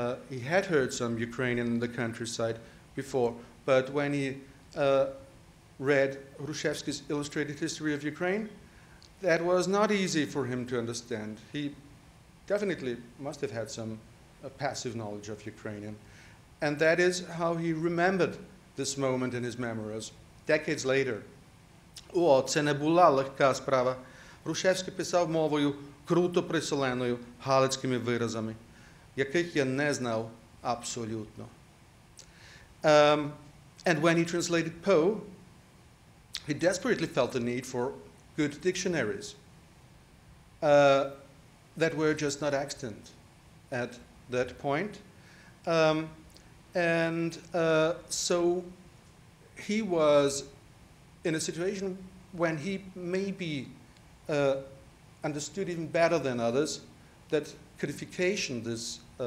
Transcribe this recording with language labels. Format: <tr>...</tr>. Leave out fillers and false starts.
<en>He had heard some Ukrainian in the countryside before, but when he read Hrushevsky's Illustrated History of Ukraine, that was not easy for him to understand. He definitely must have had some passive knowledge of Ukrainian. And that is how he remembered this moment in his memoirs, decades later.</en> <uk>О, це не була легка справа. Рушевський писав мовою круто присоленою галицькими виразами, яких я не знав абсолютно.</uk> <en>And when he translated Poe, he desperately felt the need for good dictionaries that were just not extant at that point. So he was in a situation when he maybe understood even better than others that codification, this</en>